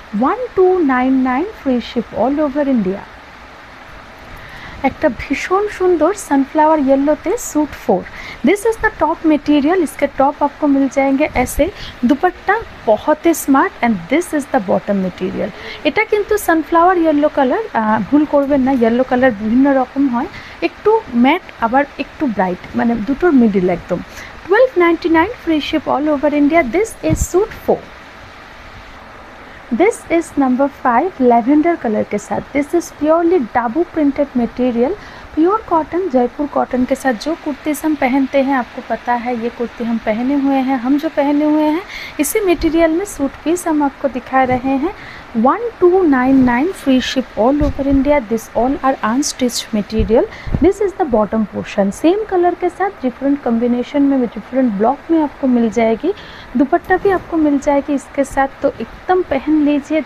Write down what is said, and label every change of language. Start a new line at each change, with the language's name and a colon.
English: 1299 free ship all over India.
Bangla: একটা ভীষণ সুন্দর
English: sunflower ইয়েলোতে suit four, this is the top material,
Hindi: ইসকে top আপকো মিল জায়েঙ্গে এসে,
English: দুপট্টা বহুত smart and this is the bottom material.
Bangla: এটা কিন্তু সানফ্লাওয়ার ইয়েলো কালার, ভুল করবেন না, ইয়েলো কালার বিভিন্ন রকম হয়, একটু ম্যাট আবার একটু ব্রাইট, মানে দুটোর মিডিল একদম।
English: 1299 free ship all over India, this is suit four. This is number 5, lavender color
Hindi: ke saath.
English: This is purely dabu printed material.
Hindi: Pure cotton, Jaipur cotton के साथ जो कुर्तीस हम पहनते हैं, आपको पता है ये कुर्ती हम पहने हुए हैं, हम जो पहने हुए हैं इसी मटेरियल में सूट पीस हम आपको दिखा रहे हैं। 1299 free ship all over India.
English: this all are unstitched material, this is the bottom portion,
Hindi: same colour के साथ डिफरेंट कम्बिनेशन में, डिफरेंट ब्लॉक में आपको मिल जाएगी, दुपट्टा भी आपको मिल जाएगी इसके साथ, तो एकदम पहन लीजिए।